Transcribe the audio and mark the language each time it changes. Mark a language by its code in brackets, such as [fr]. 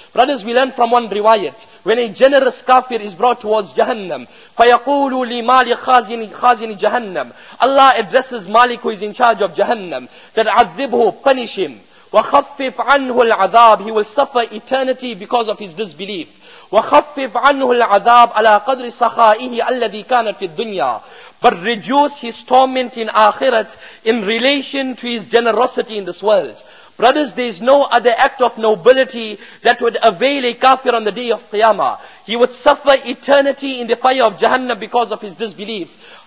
[en] Brothers, we learn from one riwayat, when a generous kafir is brought towards Jahannam, [ar] فَيَقُولُ لِمَالِ خَازِنِ جَهَنَّمْ [en] Allah addresses Malik who is in charge of Jahannam, that [ar] عَذِّبْهُ [en] punish him, [ar] وَخَفِّفْ عَنْهُ الْعَذَابِ [en] He will suffer eternity because of his disbelief. [ar] وخفف عنه العذاب على قدر سخائه الذي كان في الدنيا. [en] But reduce his torment in akhirat in relation to his generosity in this world. Brothers, there is no other act of nobility that would avail a kafir on the day of Qiyamah. He would suffer eternity in the fire of Jahannam because of his disbelief.